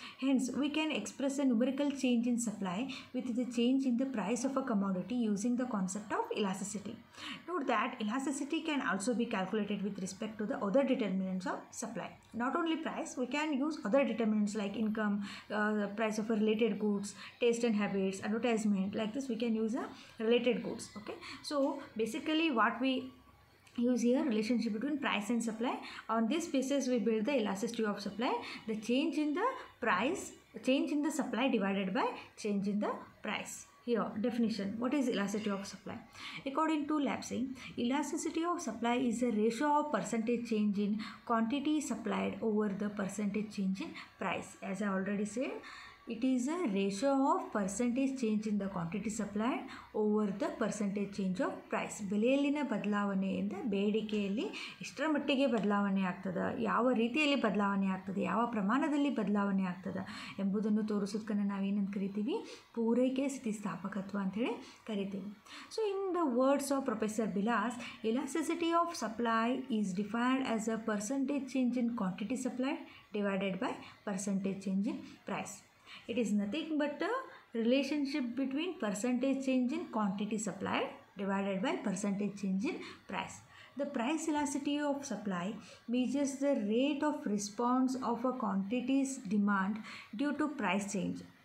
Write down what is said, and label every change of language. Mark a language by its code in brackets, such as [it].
[en] Hence we can express a numerical change in supply with the change in the price of a commodity using the concept of elasticity. Note that elasticity can also be calculated with respect to the other determinants of supply. Not only price, we can use other determinants like income, price of a related goods, taste and habits, advertisement like this we can use a related goods. Okay, so basically what we use here relationship between price and supply. On this basis we build the elasticity of supply, the change in the price, change in the supply divided by change in the price. Here definition, what is elasticity of supply? According to Lapsing, elasticity of supply is the ratio of percentage change in quantity supplied over the percentage change in price. As I already said, It is a ratio of percentage change in the quantity supplied over the percentage change of price. [kn] ಬೆಲೆಯಲ್ಲಿನ ಬದಲಾವಣೆಯಿಂದ ಬೇಡಿಕೆಯಲ್ಲಿ ಎಷ್ಟರ ಮಟ್ಟಿಗೆ ಬದಲಾವಣೆ ಆಗ್ತದೆ, ಯಾವ ರೀತಿಯಲ್ಲಿ ಬದಲಾವಣೆ ಆಗ್ತದೆ, ಯಾವ ಪ್ರಮಾಣದಲ್ಲಿ ಬದಲಾವಣೆ ಆಗ್ತದೆ ಎಂಬುದನ್ನು ತೋರಿಸೋದಕ್ಕೆ ನಾವೇನಂತ ಕರಿತೀವಿ, ಪೂರೈಕೆ ಸ್ಥಿತಿಸ್ಥಾಪಕತ್ವ ಅಂತೇಳಿ ಕರಿತೀವಿ. [en] So in the words of professor Bilas, elasticity of supply is defined as a percentage change in quantity supply divided by percentage change in price. It is nothing but the relationship between percentage change in quantity supplied divided by percentage change in price. The price elasticity of supply measures the rate of response of a quantity's demand due to price change.